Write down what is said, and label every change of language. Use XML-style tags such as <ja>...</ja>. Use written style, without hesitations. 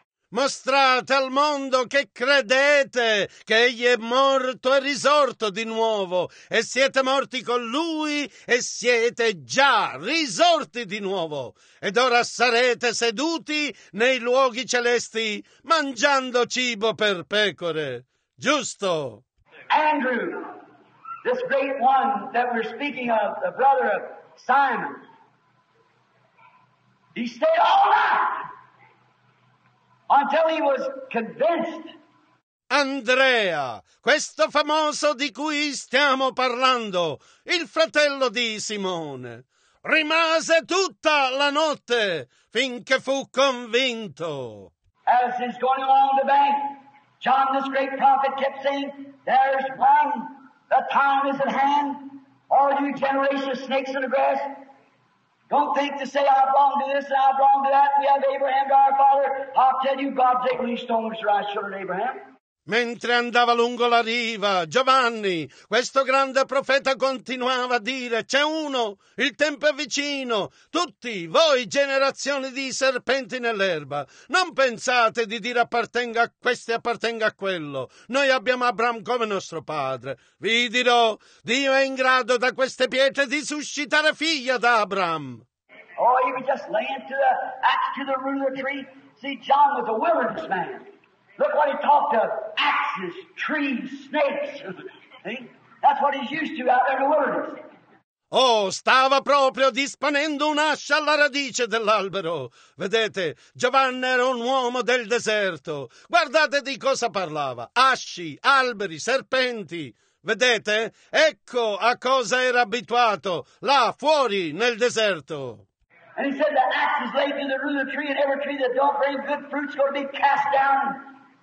<it>Mostrate al mondo che credete che egli è morto e risorto di nuovo, e siete morti con lui e siete già risorti di nuovo. Ed ora sarete seduti nei luoghi celesti, mangiando cibo per pecore. Giusto?</it> <en>Andrew, this great one that we're speaking of, the brother of Simon, he stayed all night until he was convinced.</en> <it>Andrea, questo famoso di cui stiamo parlando, il fratello di Simone, rimase tutta la notte finché fu convinto.</it> <en>As he's going along the bank, John, this great prophet, kept saying, "There's one, the time is at hand. All you generation of snakes in the grass, don't think to say I belong to this and I belong to that. We have Abraham to our father. I'll tell you, God take these stones for our children, Abraham."</en> <it>Mentre andava lungo la riva, Giovanni, questo grande profeta, continuava a dire: c'è uno, il tempo è vicino, tutti voi generazioni di serpenti nell'erba, non pensate di dire appartenga a questo e appartenga a quello, noi abbiamo Abramo come nostro padre, vi dirò, Dio è in grado da queste pietre di suscitare figlia da Abramo.</it> <en>Oh, you were just laying to the axe to the root of the tree, see John was a wilderness man. Look what he talked of, axes, trees, snakes. That's what he's used to out there in the wilderness.</en> <it>Oh, stava proprio disponendo un'ascia alla radice dell'albero. Vedete, Giovanni era un uomo del deserto. Guardate di cosa parlava. Asci, alberi, serpenti. Vedete? Ecco a cosa era abituato, là fuori nel deserto.</it> <en>And he said the axes laid to the root of the tree, and every tree that don't bring good fruit's going to be cast down.</en>